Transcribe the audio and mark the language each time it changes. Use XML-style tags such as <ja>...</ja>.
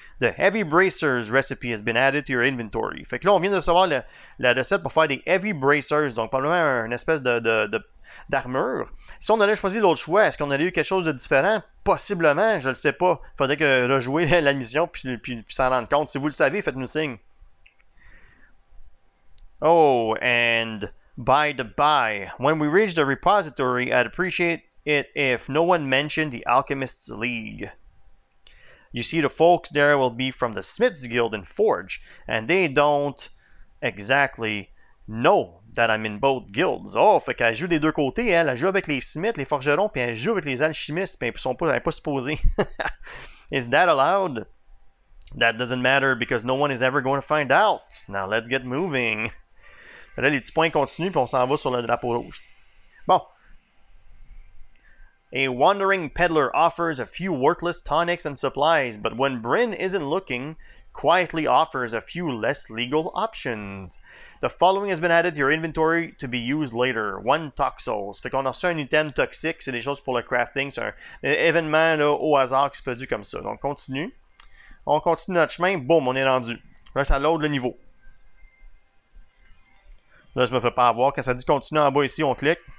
<en>The heavy bracers recipe has been added to your inventory.</en> <fr>Fait que là, on vient de recevoir la recette pour faire des heavy bracers, donc probablement une espèce d'armure. Si on allait choisir l'autre choix, est-ce qu'on allait eu quelque chose de différent? Possiblement, je le sais pas. Faudrait que rejouer la mission puis s'en rendre compte. Si vous le savez, faites-nous signe.</fr> <en>Oh, and by the by, when we reach the repository, I'd appreciate it if no one mentioned the Alchemist's League. You see, the folks there will be from the Smith's Guild in Forge, and they don't exactly know that I'm in both guilds.</en> <fr>Oh, fait qu'elle joue des deux côtés, hein? Elle joue avec les Smiths, les forgerons, puis elle joue avec les alchimistes, puis elle est pas supposée.</fr> <en>Is that allowed? That doesn't matter, because no one is ever going to find out. Now let's get moving.</en> <fr>Là, les petits points continuent, puis on s'en va sur le drapeau rouge. Bon.</fr> <en>A wandering peddler offers a few worthless tonics and supplies, but when Bryn isn't looking, quietly offers a few less legal options. The following has been added to your inventory to be used later. One toxol.</en> <fr>Fait qu'on a reçu un item toxique, c'est des choses pour le crafting, c'est un événement là, au hasard qui se produit comme ça. Donc continue. On continue notre chemin, boum, on est rendu. Là, ça load le niveau. Là, je me fais pas avoir. Quand ça dit continuer en bas ici, on clique.</fr>